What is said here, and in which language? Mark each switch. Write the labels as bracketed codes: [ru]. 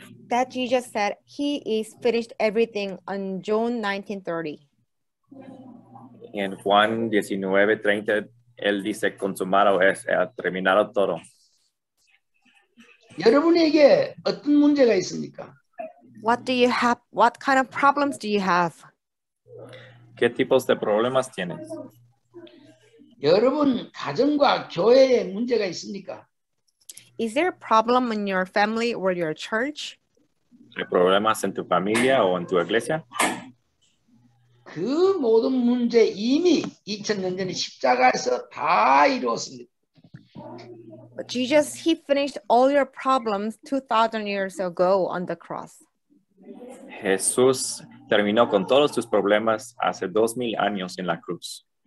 [en] That Jesus said he is finished everything on John 19:30. [es] En Juan 19:30 él dice consumado es, ha terminado todo. [ko] 여러분에게 어떤 문제가 있습니까? [en] What do you have? What kind of problems do you have? [es] ¿Qué tipos de problemas tienes? [ko] 여러분 가정과 교회에 문제가 있습니까? [en] Is there a problem in your family or your church? [es] ¿Hay problemas en tu familia o en tu iglesia? [ko] 그 모든 문제 이미 2000년 전에 십자가에서 다 이루었습니다. [en] Jesus, he finished all your problems 2,000 years ago on the cross. [es] Jesús terminó con todos tus problemas hace 2,000 años en la cruz.